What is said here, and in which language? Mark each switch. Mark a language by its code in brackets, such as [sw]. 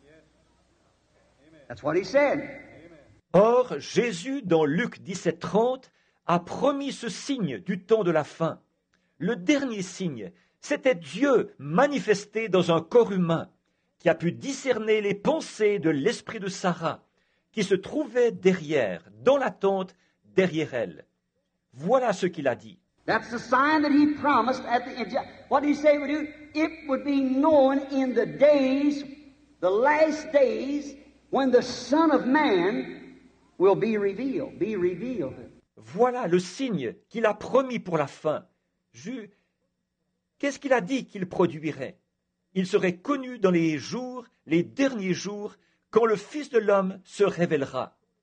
[en] Amen. That's what he said. Amen. [fr] Or, Jésus, dans Luc 17:30, a promis ce signe du temps de la fin. Le dernier signe, c'était Dieu manifesté dans un corps humain qui a pu discerner les pensées de l'esprit de Sarah qui se trouvait derrière, dans la tente, derrière elle. Voilà ce qu'il a dit. [en] That's the sign that he promised at the end. What did he say it would do? It would be known in the days, the last days, when the Son of Man will be revealed. [fr] Voilà le signe qu'il a promis pour la fin. Qu'est-ce qu'il a dit qu'il produirait? Il serait connu dans les jours, les derniers jours, quand le Fils de l'homme se révélera.